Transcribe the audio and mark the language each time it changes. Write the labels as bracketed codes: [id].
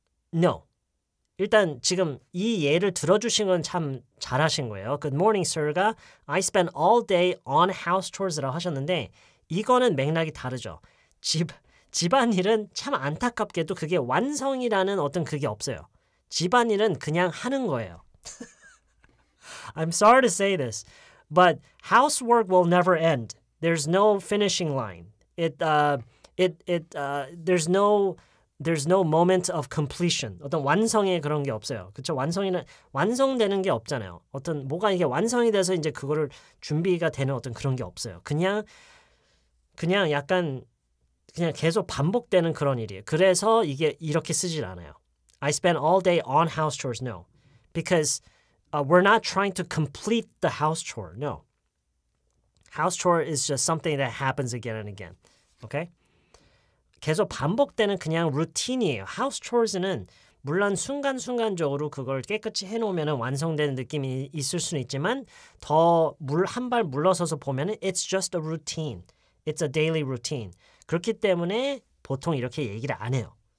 [ko] 노. 일단 지금 이 예를 들어주신 건 참 잘하신 거예요. [en] Good morning, sir가 I spend all day on house chores [ko] 라고 하셨는데 이거는 맥락이 다르죠. 집안일은 참 안타깝게도 그게 완성이라는 어떤 그게 없어요. 집안일은 그냥 하는 거예요. [en] I'm sorry to say this, but housework will never end. There's no finishing line. There's no moment of completion. [ko] 어떤 완성의 그런 게 없어요. 그렇죠? 완성이는 완성되는 게 없잖아요. 어떤 뭐가 이게 완성이 돼서 이제 그거를 준비가 되는 어떤 그런 게 없어요. 그냥 약간 그냥 계속 반복되는 그런 일이에요. 그래서 이게 이렇게 쓰질 않아요. [en] I spend all day on house chores. No. Because we're not trying to complete the house chore. No. House chore is just something that happens again and again. Okay? [ko] 계속 반복되는 그냥 루틴이에요. House chores는 물론 순간순간적으로 그걸 깨끗이 해놓으면 완성되는 느낌이 있을 수는 있지만 더 한 발 물러서서 보면 [en] it's just a routine. It's a daily routine. [ko] 그렇기 때문에 보통 이렇게 얘기를 안 해요.